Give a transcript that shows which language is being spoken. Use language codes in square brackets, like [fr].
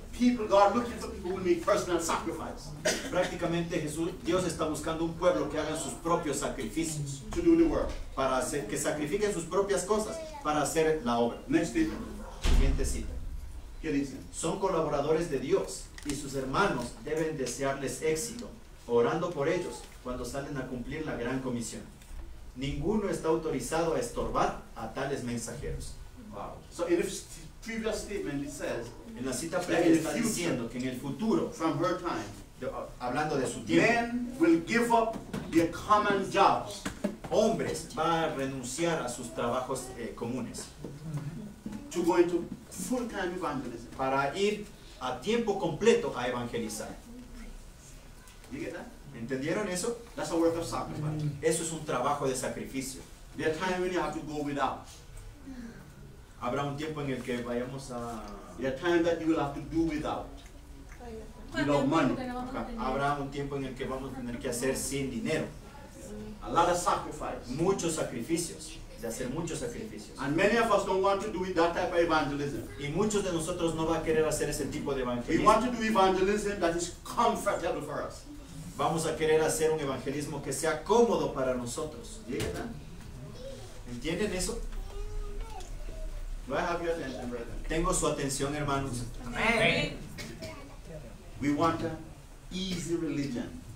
[en] people, God looking for people who make personal sacrifice. [es] Prácticamente Jesús, Dios está buscando un pueblo que haga sus propios sacrificios. [en] To do the work. [es] Para hacer, que sacrifiquen sus propias cosas para hacer la obra. [en] Next cita. [es] Siguiente cita. ¿Qué dicen? Son colaboradores de Dios y sus hermanos deben desearles éxito, orando por ellos cuando salen a cumplir la gran comisión. Ninguno está autorizado a estorbar a tales mensajeros. [en] Wow. So in this previous statement it says, [es] en la cita previa está diciendo que en el futuro, [en] from her time, [es] hablando de su tiempo, [en] men will give up their common jobs. [es] Hombres van a renunciar a sus trabajos comunes. [en] To go into full-time evangelism. [es] Para ir a tiempo completo a evangelizar. [en] You get that? [es] ¿Entendieron eso? [en] That's a work of sacrifice. [es] Eso es un trabajo de sacrificio. [en] There are times when you have to go without. [es] Habrá un tiempo en el que vayamos a... [en] There are times that you will have to do without. Without money. [es] Habrá un tiempo en el que vamos a tener que hacer sin dinero. [en] A lot of sacrifice. [es] Muchos sacrificios. De hacer muchos sacrificios. [en] And many of us don't want to do that type of evangelism. [es] Y muchos de nosotros no va a querer hacer ese tipo de evangelismo. [en] We want to do evangelism that is comfortable for us. [es] Vamos a querer hacer un evangelismo que sea cómodo para nosotros. ¿Entienden eso? [en] Do I have your attention, brethren? [es] Tengo su atención, hermanos. [en] Amen. We want an easy religion.